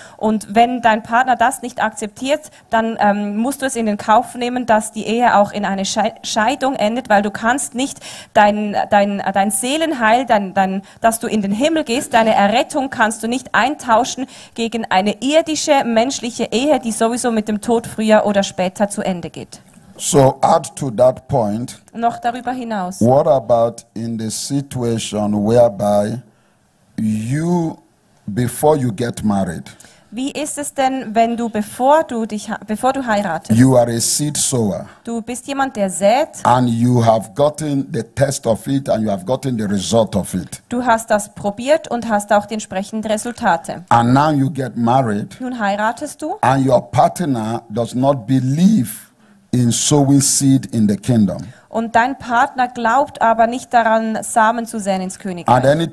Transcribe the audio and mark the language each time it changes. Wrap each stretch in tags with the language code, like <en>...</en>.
<de>Und wenn dein Partner das nicht akzeptiert, dann musst du es in den Kauf nehmen, dass die Ehe auch in eine Scheidung endet, weil du kannst nicht dein Seelenheil, dass du in den Himmel gehst, deine Errettung kannst du nicht eintauschen gegen eine irdische, menschliche Ehe, die sowieso mit dem Tod früher oder später zu Ende geht.</de> <en>So add to that point,</en> <de>noch darüber hinaus,</de> <en>what about in the situation whereby you, before you get married,</en> <de>wie ist es denn, wenn du, bevor du heiratest,</de> <en>you are a seed sower,</en> <de>du bist jemand, der sät,</de> <en>and you have gotten the test of it and you have gotten the result of it.</en> <de>Du hast das probiert und hast auch die entsprechenden Resultate.</de> <en>And now you get married.</en> <de>Nun heiratest du.</de> <en>And your partner does not believe in sowing seed in the kingdom.</en> <de>Und dein Partner glaubt aber nicht daran, Samen zu säen ins Königreich.</de>